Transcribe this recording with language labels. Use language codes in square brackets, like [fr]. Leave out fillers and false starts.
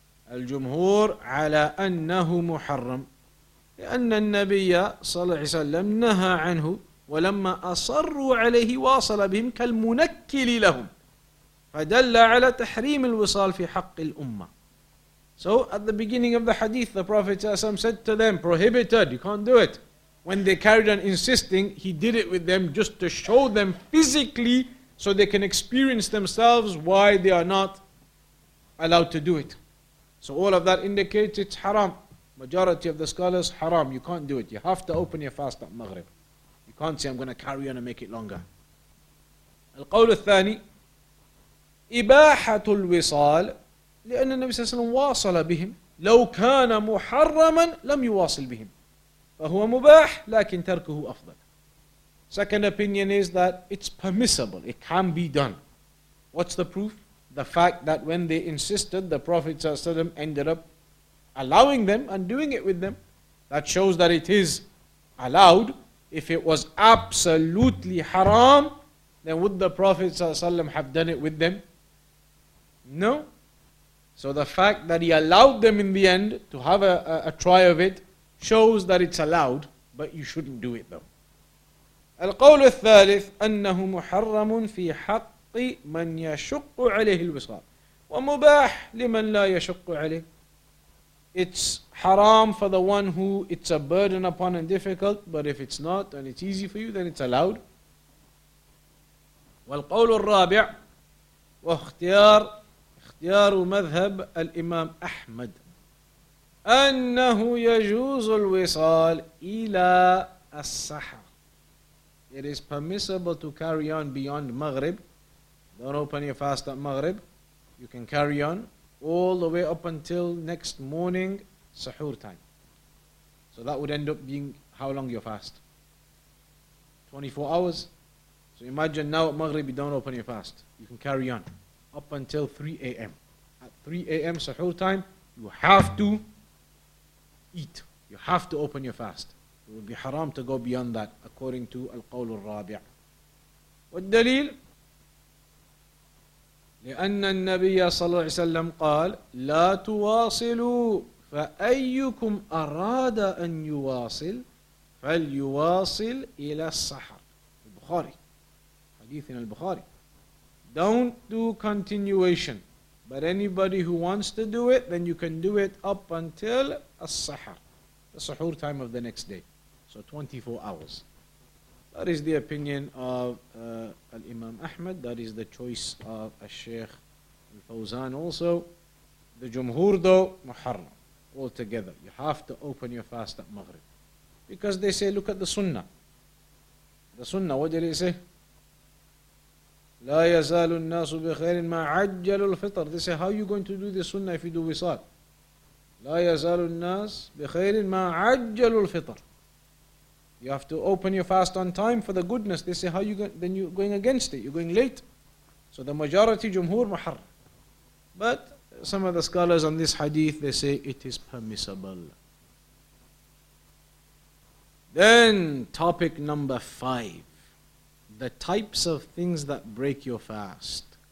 [ar] الجمهور على أنه محرم لأن النبي صلى الله عليه وسلم نهى عنه ولما أصروا عليه واصل بهم كالمنكل لهم فدل على تحريم الوصال في حق الأمة. [en] So at the beginning of the hadith, the Prophet ﷺ said to them, prohibited, you can't do it. When they carried on insisting, he did it with them just to show them physically so they can experience themselves why they are not allowed to do it. So all of that indicates it's haram. Majority of the scholars, haram, you can't do it. You have to open your fast at Maghrib. You can't say, I'm going to carry on and make it longer. [ar] Al-Qawl al-Thani, Ibahatul Wisal. لأن النبي صلى الله عليه وسلم واصل بهم لو كان محرما لم يواصل بهم فهو مباح لكن تركه أفضل. [en] Second opinion is that it's permissible, it can be done. What's the proof? The fact that when they insisted, the Prophet ﷺ ended up allowing them and doing it with them. That shows that it is allowed. If it was absolutely haram, then would the Prophet ﷺ have done it with them? No. So the fact that he allowed them in the end to have a try of it shows that it's allowed, but you shouldn't do it though. [ar] القول الثالث أنه محرم في حق من يشق عليه الوصال ومباح لمن لا يشق عليه. [en] It's haram for the one who it's a burden upon and difficult, but if it's not and it's easy for you, then it's allowed. [ar] والقول الرابع واختيار مذهب الإمام أحمد أنه يجوز الوصال إلى السحر. [en] It is permissible to carry on beyond Maghrib. Don't open your fast at Maghrib. You can carry on all the way up until next morning, Sahur time. So that would end up being how long your fast? 24 hours. So imagine now at Maghrib you don't open your fast. You can carry on up until 3 a.m. At 3 a.m. Sahur time, you have to eat. You have to open your fast. It would be haram to go beyond that, according to Al-Qawl Al-Rabi'. [ar] والدليل لأن النبي صلى الله عليه وسلم قال لا تواصلوا فأيكم أراد أن يواصل فليواصل إلى السحر. البخاري, حديث [en] in [ar] البخاري. [en] Don't do continuation, but anybody who wants to do it, then you can do it up until السحر, the sahur time of the next day. So 24 hours. That is the opinion of Al-Imam Ahmad. That is the choice of Al-Shaykh Al-Fawzan also. The Jumhur though, Muharram, altogether. You have to open your fast at Maghrib. Because they say, look at the Sunnah. The Sunnah, what did it say? [ar] لا يزال الناس بخير ما عجلوا الفطر. [en] They say, how are you going to do the Sunnah if you do Wisal? [ar] لا يزال الناس بخير ما عجلوا الفطر. [en] You have to open your fast on time for the goodness. They say, how you go? Then you're going against it. You're going late. So the majority, Jumhur, Muharr. But some of the scholars on this hadith, they say it is permissible. Then topic number five. The types of things that break your fast.